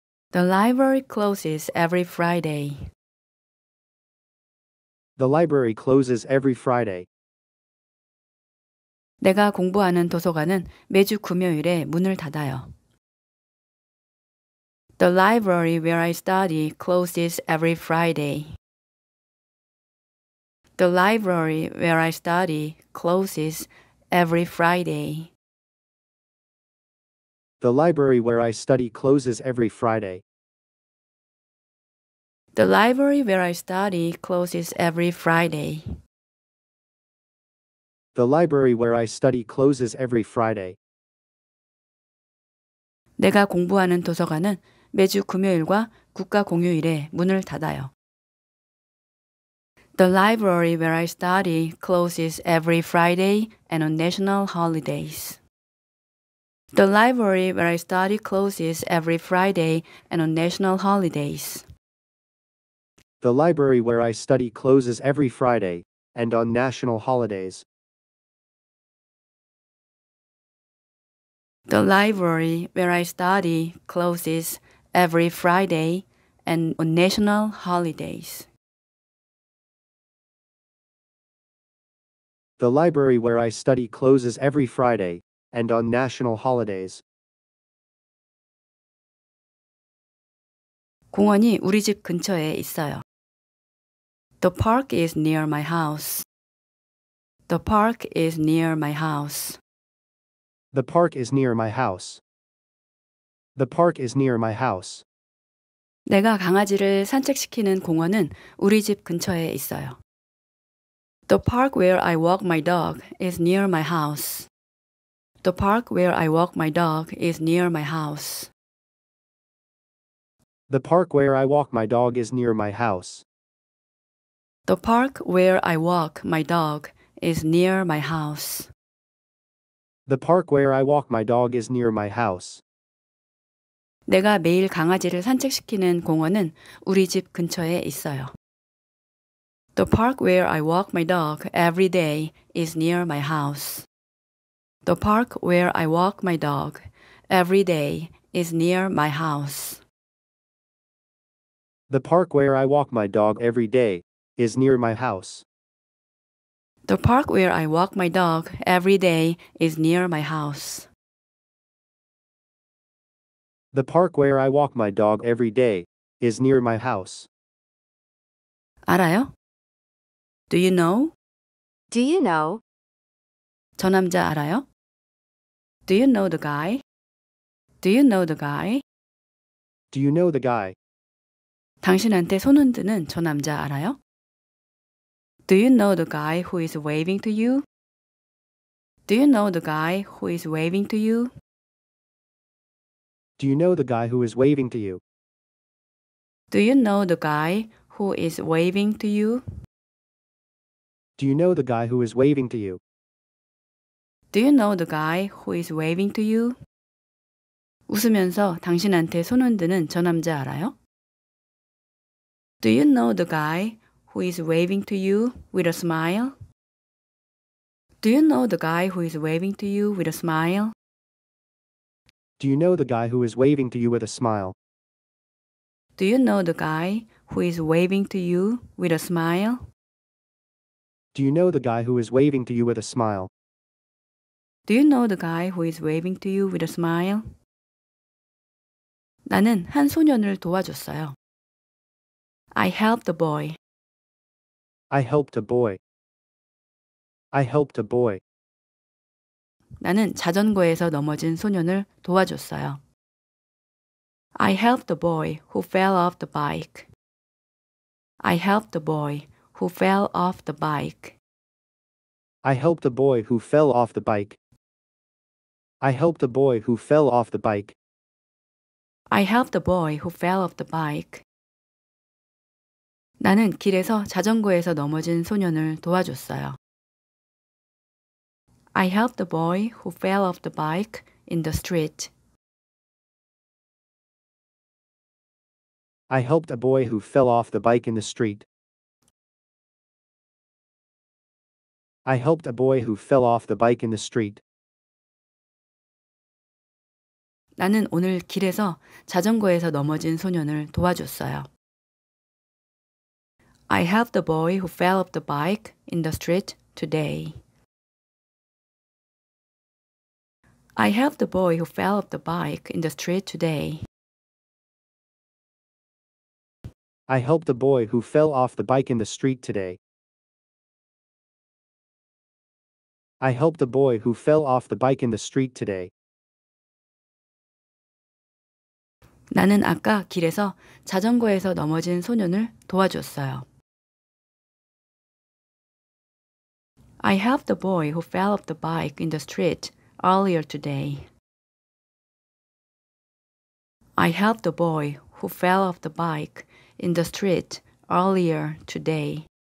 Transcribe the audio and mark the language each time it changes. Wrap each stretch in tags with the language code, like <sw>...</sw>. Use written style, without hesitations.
<en>The library closes every Friday. The library closes every Friday.</en> <ko>내가 공부하는 도서관은 매주 금요일에 문을 닫아요.</ko> <en>The library where I study closes every Friday. The library where I study closes every Friday. The library where I study closes every Friday. The library where I study closes every Friday. The library where I study closes every Friday.</en> <ko>내가 공부하는 도서관은 매주 금요일과 국가공휴일에 문을 닫아요.</ko> <en>The library where I study closes every Friday and on national holidays. The library where I study closes every Friday and on national holidays. The library where I study closes every Friday and on national holidays. The library where I study closes every Friday and on national holidays. The library where I study closes every Friday and on national holidays.</en> <ko>공원이 우리 집 근처에 있어요.</ko> <en>The park is near my house. The park is near my house. The park is near my house. The park is near my house.</en> <ko>내가 강아지를 산책시키는 공원은 우리 집 근처에 있어요.</ko> <en>The park where I walk my dog is near my house. The park where I walk my dog is near my house. The park where I walk my dog is near my house. The park where I walk my dog is near my house. The park where I walk my dog is near my house.</en> <ko>내가 매일 강아지를 산책시키는 공원은 우리 집 근처에 있어요.</ko> <en>The park where I walk my dog every day is near my house. The park where I walk my dog every day is near my house. The park where I walk my dog every day is near my house. The park where I walk my dog every day is near my house. The park where I walk my dog every day is near my house.</en> <ko>알아요?</ko> <en>Do you know? Do you know?</en> <ko>저 남자 알아요?</ko> <en>Do you know the guy? Do you know the guy? Do you know the guy?</en> <ko>당신한테 손 흔드는 저 남자 알아요?</ko> <en>Do you know the guy who is waving to you? Do you know the guy who is waving to you? Do you know the guy who is waving to you? Do you know the guy who is waving to you? Do you know the guy who is waving to you? Do you know the guy who is waving to you?</en> <ko>웃으면서 당신한테 손 흔드는 저 남자 알아요?</ko> <en>Do you know the guy who is waving to you with a smile? Do you know the guy who is waving to you with a smile? Do you know the guy who is waving to you with a smile? Do you know the guy who is waving to you with a smile? Do you know the guy who is waving to you with a smile? Do you know the guy who is waving to you with a smile?</en> <ko>나는 한 소년을 도와줬어요.</ko> <en>I helped a boy. I helped a boy. I helped a boy.</en> <ko>나는 자전거에서 넘어진 소년을 도와줬어요.</ko> <en>I helped a boy who fell off the bike. I helped a boy who fell off the bike. I helped a boy who fell off the bike. I helped a boy who fell off the bike. I helped a boy who fell off the bike.</en> <ko>나는 길에서 자전거에서 넘어진 소년을 도와줬어요.</ko> <en>I helped a boy who fell off the bike in the street. I helped a boy who fell off the bike in the street. I helped a boy who fell off the bike in the street.</en> <ko>나는 오늘 길에서 자전거에서 넘어진 소년을 도와줬어요.</ko> <en>I helped a boy who fell off the bike in the street today. I helped a boy who fell off the bike in the street today. I helped a boy who fell off the bike in the street today. I helped a boy who fell off the bike in the street today.</en> <ko>나는 아까 길에서 자전거에서 넘어진 소년을 도와줬어요.</ko> <en>I helped a boy who fell off the bike in the street earlier today. I helped a boy who fell off the bike in the street earlier today.</en>